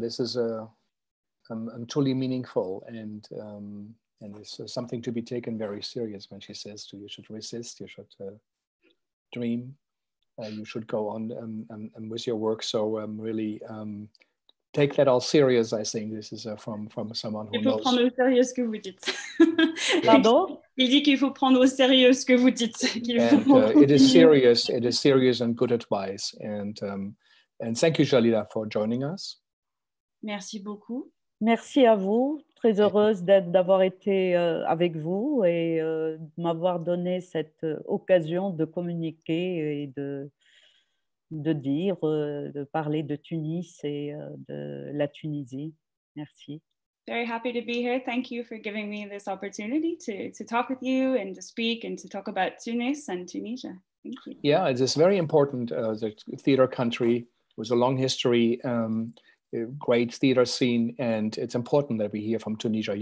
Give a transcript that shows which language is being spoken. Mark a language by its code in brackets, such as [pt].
[en] This is truly meaningful, and it's something to be taken very serious when she says to you should resist, you should dream, you should go on and with your work. So really, take that all serious, I think. This is from someone who knows. [fr] Prendre au sérieux ce que vous dites. Pardon? Il dit qu'il faut prendre au sérieux ce que vous dites. [en] It is serious and good advice. And thank you, Jolita, for joining us. [fr] Merci beaucoup. Merci à vous. Très heureuse d'avoir été avec vous et de m'avoir donné cette occasion de communiquer et de dire, de parler de Tunis et de la Tunisie. Merci. [en] Very happy to be here. Thank you for giving me this opportunity to talk with you and to speak and to talk about Tunis and Tunisia. Thank you. Yeah, it is very important, the theater country with a long history, a great theater scene, and it's important that we hear from Tunisia.